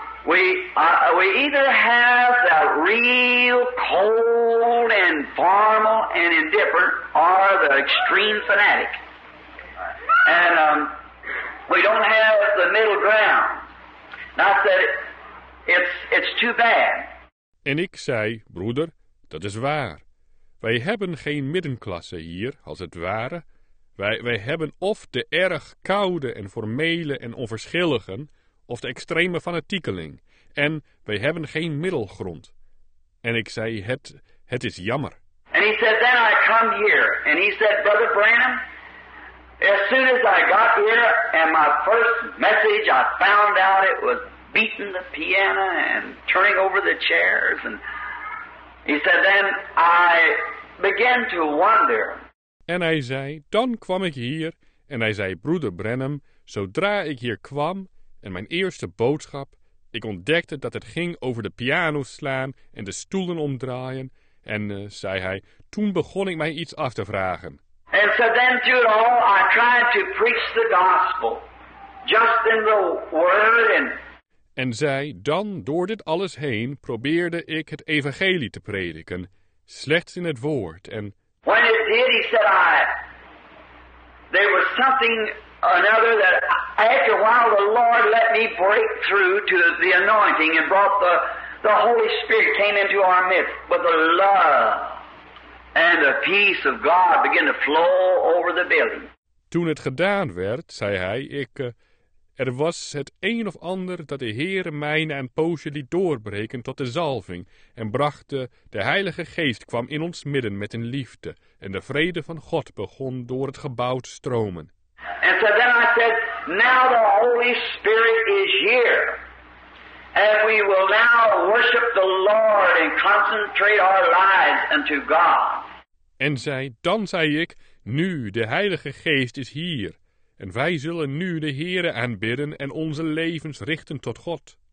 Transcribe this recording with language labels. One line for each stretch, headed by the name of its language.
English: We either have the real cold and formal and indifferent, or the extreme fanatic. And we don't have the middle ground. And I said, it's too bad.
Dutch: En ik zei, broeder, dat is waar. Wij hebben geen middenklasse hier, als het ware. Wij hebben of de erg koude en formele en onverschilligen, of de extreme fanatiekeling. En wij hebben geen middelgrond. En ik zei, het is jammer.
English: And he said, then I come here. And he said, brother Branham, as soon as I got here, and my first message, I found out it was beating the piano and turning over the chairs. And he said, then I began to wonder.
Dutch: En hij zei, dan kwam ik hier. En hij zei, broeder Branham, zodra ik hier kwam, en mijn eerste boodschap, ik ontdekte dat het ging over de piano slaan en de stoelen omdraaien. En, zei hij, toen begon ik mij iets af te vragen.
English: And so then through it all, I tried to preach the gospel, just in the word and...
Dutch: En zei, dan door dit alles heen probeerde ik het evangelie te prediken, slechts in het woord. En
English: when it did, he said, there was something another that after a while the Lord let me break through to the anointing and brought the Holy Spirit came into our midst. But the love and the peace of God began to flow over the building.
Dutch: Toen het gedaan werd, zei hij, ik... Er was het een of ander dat de Heere mij na een poosje liet doorbreken tot de zalving en bracht de Heilige Geest kwam in ons midden met een liefde en de vrede van God begon door het gebouw te stromen.
English: And so then I said, now the Holy Spirit is here and we will now worship the Lord and concentrate our lives unto God.
Dutch: En zei, dan zei ik, nu de Heilige Geest is hier. En wij zullen nu de Heere aanbidden en onze levens richten tot God.